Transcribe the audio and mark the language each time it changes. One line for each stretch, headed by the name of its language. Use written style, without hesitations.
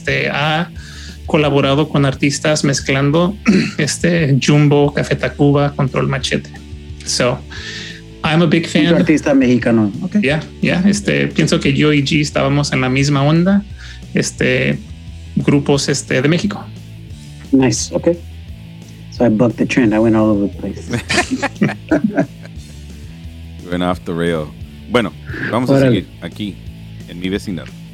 Spanish: Ha colaborado con artistas mezclando Jumbo, Café Tacuba, Control Machete.
English: So, I'm a big fan.
Spanish: Un artista mexicano. Okay. Pienso que yo y G estábamos en la misma onda. Grupos de México.
English: Nice. Okay. So I bucked the trend. I went all over the place. You went off the rail.
Spanish: Bueno, vamos a seguir aquí en mi vecindad.